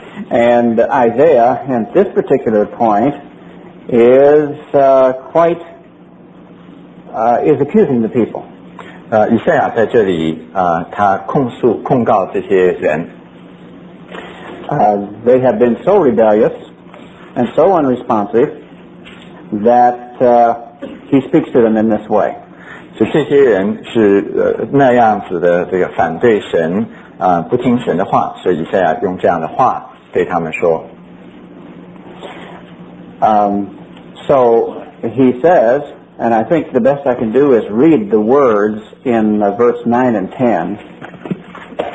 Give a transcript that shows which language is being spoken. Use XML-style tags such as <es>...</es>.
<en>And Isaiah, at this particular point, is is accusing the people.</en> <zh>以赛亚在这里，他控告这些人。</zh> <en>They have been so rebellious and so unresponsive that he speaks to them in this way.</en> <zh>所以这些人是那样子的这个反对神，不听神的话，所以以赛亚用这样的话。</zh> <en>So he says, and I think the best I can do is read the words in verse 9 and 10.</en>